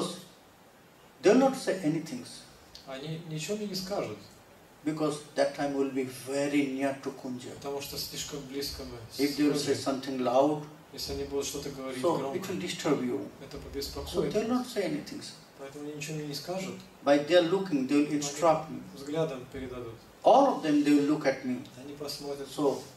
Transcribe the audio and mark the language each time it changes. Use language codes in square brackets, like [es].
[en] Because they'll not say anything. [ru] Они ничего мне не скажут. [en] Because that time will be very near to Kunja. [ru] Потому что слишком близко мы. [en] If they will say something loud, [ru] если они будут что-то говорить [en] so [ru] громко, [en] it will disturb you. [ru] Это побеспокоит. [en] So they'll not say anything. [ru] Поэтому они ничего мне не скажут. [en] By their looking, they'll instruct me. [ru] Взглядом передадут. [en] All of them, they'll look at me. [ru] Они посмотрят. [en] So